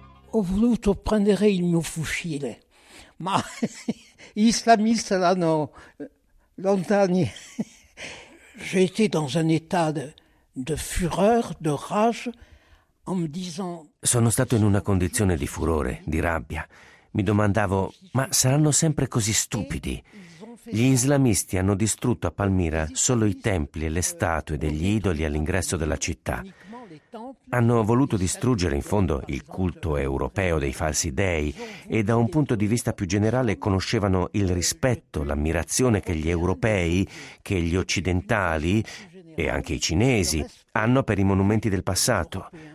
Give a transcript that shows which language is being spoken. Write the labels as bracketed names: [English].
[Italian] Ho voluto prendere il mio fucile, ma gli islamisti l'hanno lontani. [French] J'ai été dans un état de fureur, de rage, en me disant... [Italian] Sono stato in una condizione di furore, di rabbia. Mi domandavo, ma saranno sempre così stupidi? Gli islamisti hanno distrutto a Palmira solo i templi e le statue degli idoli all'ingresso della città. Hanno voluto distruggere in fondo il culto europeo dei falsi dei e da un punto di vista più generale conoscevano il rispetto, l'ammirazione che gli europei, che gli occidentali e anche i cinesi hanno per i monumenti del passato.